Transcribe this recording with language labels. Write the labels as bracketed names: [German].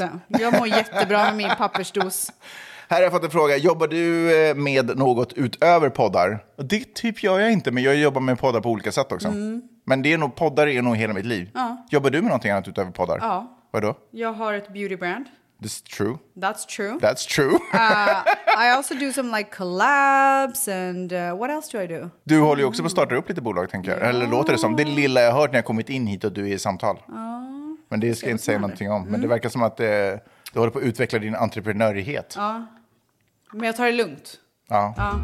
[Swedish] Absolut inte. Jag mår jättebra med min pappersdos. Här har jag fått en fråga. Jobbar du med något utöver poddar? Det typ gör jag inte, men jag jobbar med poddar på olika sätt också. Mm. Men det är nog, poddar är nog hela mitt liv. Ja. Jobbar du med någonting annat utöver poddar? Ja. Vadå? Jag har ett beauty brand. [English] That's true. That's true. That's true. I also do some like collabs and what else do I do? [Swedish] Du håller ju också på att starta upp lite bolag, tänker jag. Yeah. Eller låter det som det lilla jag hört när jag kommit in hit och du är i samtal. Men det ska jag inte säga någonting om. Men det verkar som att du håller på att utveckla din entreprenörighet. Ja. Men jag tar det lugnt. Ja.